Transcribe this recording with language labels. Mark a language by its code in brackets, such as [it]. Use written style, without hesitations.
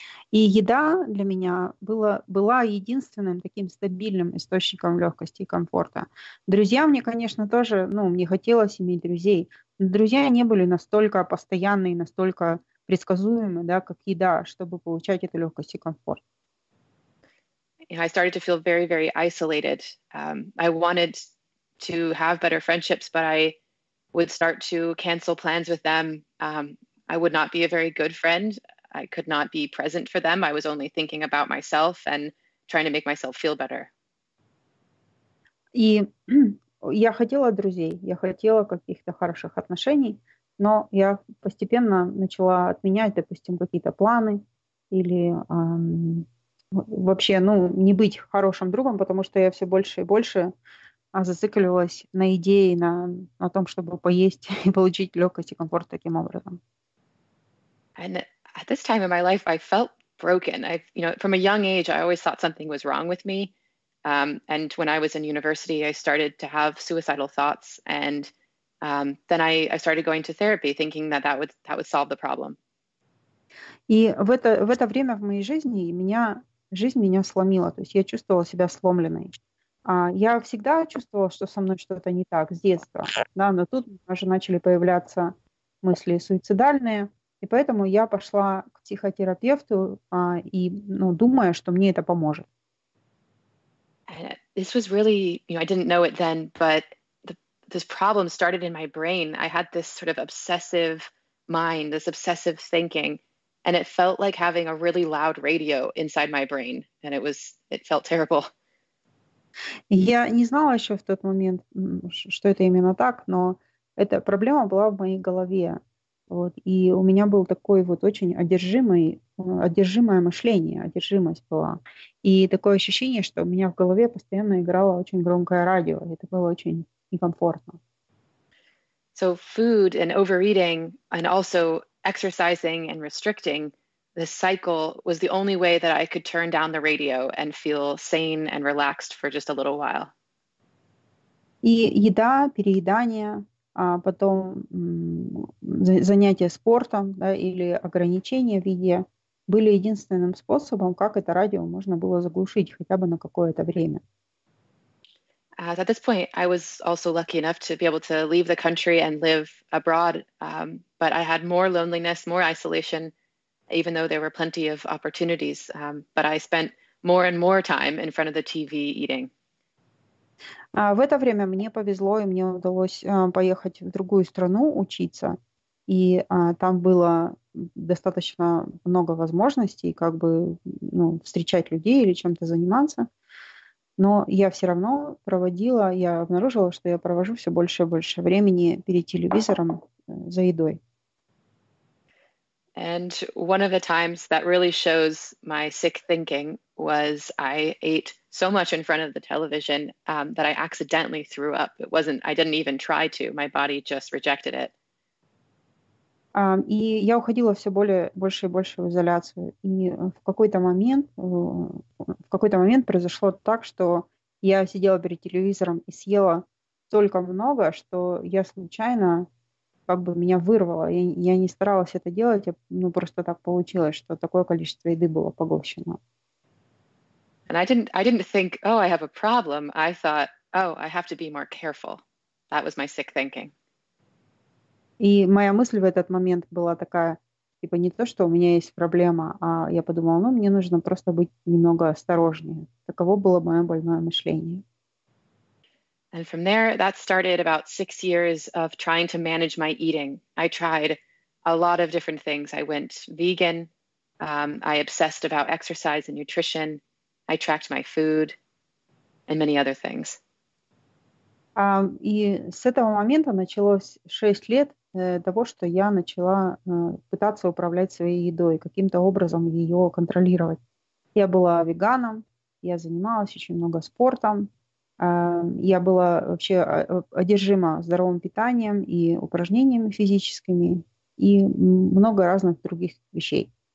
[ru] И еда для меня была единственным таким стабильным источником легкости и комфорта. Друзья мне, конечно, тоже, ну, мне хотелось иметь друзей. Но друзья не были настолько постоянны и настолько предсказуемы, да, как еда, чтобы получать эту легкость и комфорт. [en] I started to feel very, very isolated. I wanted to have better friendships, but I would start to cancel plans with them. I would not be a very good friend. I could not be present for them. I was only thinking about myself and trying to make myself feel better. [ru] И я хотела друзей, я хотела каких-то хороших отношений, но я постепенно начала отменять, допустим, какие-то планы или вообще, ну, не быть хорошим другом, потому что я все больше и больше зацикливалась на идее, на том, чтобы поесть и получить легкость и комфорт таким образом. [en] And at this time in my life, I felt broken. I, you know, from a young age, I always thought something was wrong with me. And when I was in university, I started to have suicidal thoughts. And then I started going to therapy, thinking that that would solve the problem. [ru] И в это время в моей жизни жизнь меня сломила. То есть я чувствовала себя сломленной. Я всегда чувствовала, что со мной что-то не так с детства. Да, но тут уже начали появляться мысли суицидальные. И поэтому я пошла к психотерапевту, думая, что мне это поможет. [en] This was really, you know, I didn't know it then, but this problem started in my brain. I had this sort of obsessive mind, this obsessive thinking, and it felt like having a really loud radio inside my brain, and it felt terrible. [ru] Я не знала еще в тот момент, что это именно так, но эта проблема была в моей голове. Вот, и у меня был такой вот очень одержимое мышление, одержимость была. И такое ощущение, что у меня в голове постоянно играло очень громкое радио. Это было очень некомфортно. [en] So food and overeating and also exercising and restricting, this cycle was the only way that I could turn down the radio and feel sane and relaxed for just a little while. [ru] И еда, переедание, а потом занятия спортом, да, или ограничения в еде были единственным способом, как это радио можно было заглушить хотя бы на какое-то время. [en] At this point, I was also lucky enough to be able to leave the country and live abroad, but I had more loneliness, more isolation, even though there were plenty of opportunities, but I spent more and more time in front of the TV eating. [ru] В это время мне повезло, и мне удалось поехать в другую страну учиться. И там было достаточно много возможностей, как бы, ну, встречать людей или чем-то заниматься. Но я все равно проводила, я обнаружила, что я провожу все больше и больше времени перед телевизором за едой. [en] And one of the times that really shows my sick thinking was I ate so much in front of the television that I accidentally threw up. I didn't even try to. My body just rejected it. [ru] И я уходила все более, больше и больше в изоляцию. И в какой-то момент произошло так, что я сидела перед телевизором и съела столько много, что я случайно как бы меня вырвало. Я не старалась это делать, ну, просто так получилось, что такое количество еды было поглощено. [en] And I didn't think, oh, I have a problem. I thought, oh, I have to be more careful. That was my sick thinking. [ru] И моя мысль в этот момент была такая, типа не то, что у меня есть проблема, а я подумала, ну, мне нужно просто быть немного осторожнее. Таково было мое больное мышление. [en] And from there, that started about 6 years of trying to manage my eating. I tried a lot of different things. I went vegan. I obsessed about exercise and nutrition. I tracked my food and many other things. [ru] И с этого момента началось 6 лет того, что я начала пытаться управлять своей едой, каким-то образом ее контролировать. Я была веганом, я занималась очень много спортом. Я была вообще одержима здоровым питанием и упражнениями физическими и много разных других вещей.